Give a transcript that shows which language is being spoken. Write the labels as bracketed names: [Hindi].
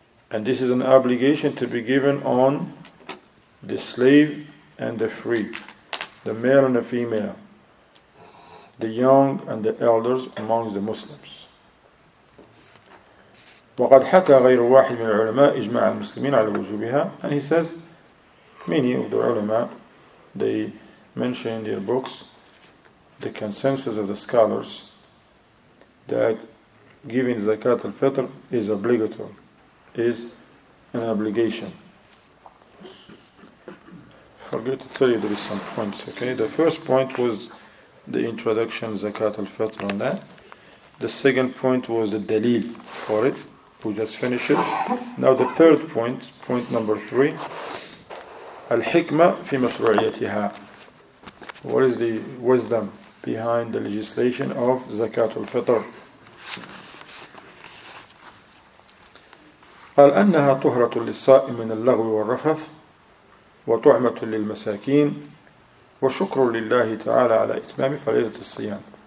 [English] And this is an obligation to be given on the slave and the free, the male and the female, the young and the elders amongst the Muslims. [Arabic] وقد حكى غير واحد من العلماء إجماع المسلمين على وجوبها. [English] And he says, many of the ulama, they mention in their books the consensus of the scholars that giving zakat al-fitr is obligatory, is an obligation. Forget to tell you there is some points, okay? The first point was the introduction of zakat al-fitr on that. The second point was the dalil for it. We just finished it. Now the third point, point number three, [Arabic] الحكمة في مشروعيتها. [English] What is the wisdom behind the legislation of zakat al-fitr? [Arabic] قال أنها طهرة للصائم من اللغو والرفث وطعمة للمساكين وشكر لله تعالى على إتمام فريضة الصيام.